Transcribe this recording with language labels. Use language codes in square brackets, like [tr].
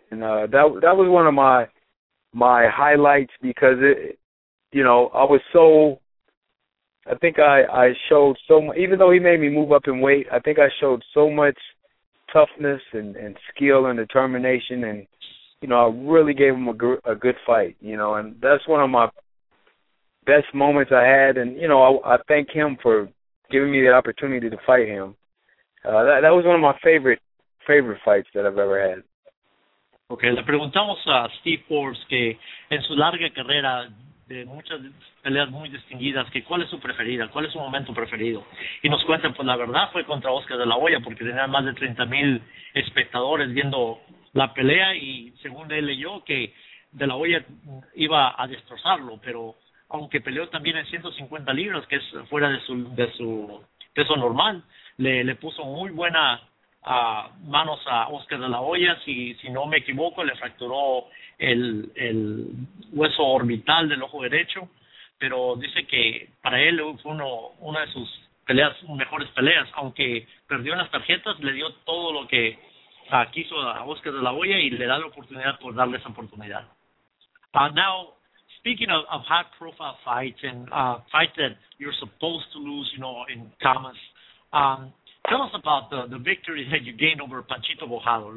[en] And that was one of my highlights because you know, I was so, I think I showed so much, even though he made me move up in weight, I think I showed so much toughness and skill and determination and you know, I really gave him a good fight, you know, and that's one of my best moments I had. And, you know, I thank him for giving me the opportunity to fight him. That was one of my favorite fights that I've ever had. [es] Okay, le preguntamos a Steve Forbes que en su larga carrera de muchas peleas muy distinguidas, que cuál es su preferida, cuál es su momento preferido. Y nos cuenta, pues la verdad fue contra Oscar de la Hoya, porque tenía más de 30,000 espectadores viendo la pelea, y según él leyó que de la Hoya iba a destrozarlo, pero aunque peleó también en 150 libras, que es fuera de su peso normal, le puso muy buena manos a Oscar de la Hoya. Si no me equivoco, le fracturó el hueso orbital del ojo derecho, pero dice que para él fue una de sus peleas, mejores peleas, aunque perdió en las tarjetas, le dio todo lo que quiso a Oscar de la Hoya y le da la oportunidad por darle esa oportunidad. [en] Now, speaking of high profile fights and fights that you're supposed to lose, you know, in commas, tell us about the victory that you gained over Panchito Bojado.